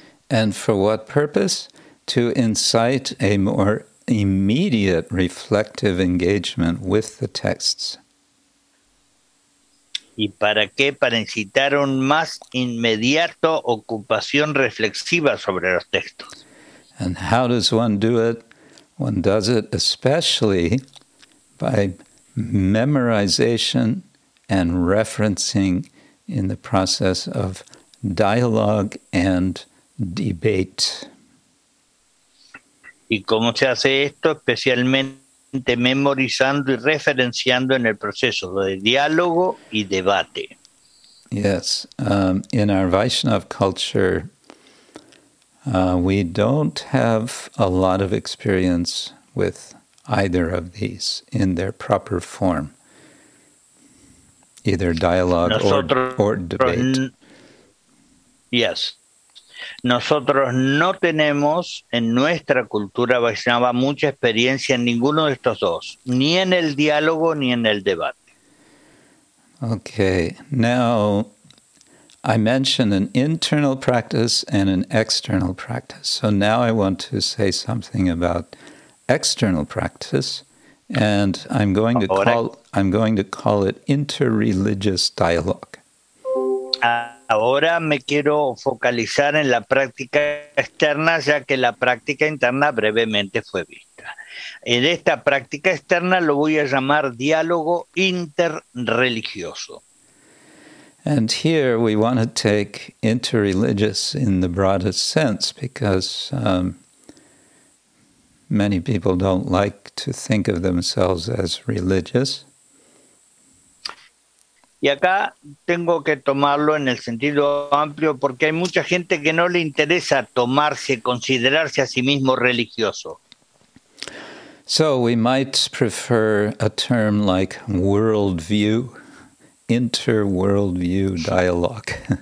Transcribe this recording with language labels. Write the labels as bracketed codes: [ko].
[en] And for what purpose? To incite a more immediate reflective engagement with the texts. [es] ¿Y para qué? Para incitar un más inmediato ocupación reflexiva sobre los textos. [en] And how does one do it? One does it especially by memorization and referencing in the process of dialogue and debate. [es] ¿Y cómo se hace esto? Especialmente memorizando y referenciando en el proceso de diálogo y debate. [en] Yes, in our Vaishnav culture, we don't have a lot of experience with either of these in their proper form, either dialogue or debate. Yes. [es] Nosotros no tenemos en nuestra cultura Vaishnava mucha experiencia en ninguno de estos dos, ni en el diálogo ni en el debate. [en] Okay, now I mentioned an internal practice and an external practice. So now I want to say something about external practice, and I'm going to call it interreligious dialogue. [es] Ahora me quiero focalizar en la práctica externa, ya que la práctica interna brevemente fue vista. En esta práctica externa lo voy a llamar diálogo interreligioso. [en] And here we want to take interreligious in the broadest sense, because many people don't like to think of themselves as religious. [es] Y acá tengo que tomarlo en el sentido amplio porque hay mucha gente que no le interesa tomarse, considerarse a sí mismo religioso. [en] So we might prefer a term like worldview, interworldview dialogue.